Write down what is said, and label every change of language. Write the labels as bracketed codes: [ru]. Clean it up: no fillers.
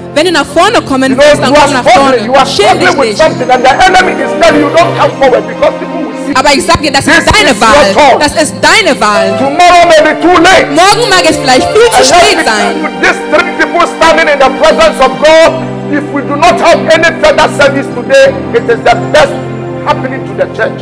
[de] Wenn du nach vorne kommen willst, dann komm nach vorne. [en] You are struggling with something, and the enemy is telling you don't come forward because people will see. [de] Aber ich sage dir, das ist deine Wahl. Das ist deine Wahl. [en] Tomorrow may be too late. [de] Morgen mag es vielleicht viel zu spät sein. [en] These 3 people standing in the presence of God, if we do not have any further service today, it is the best happening to the church.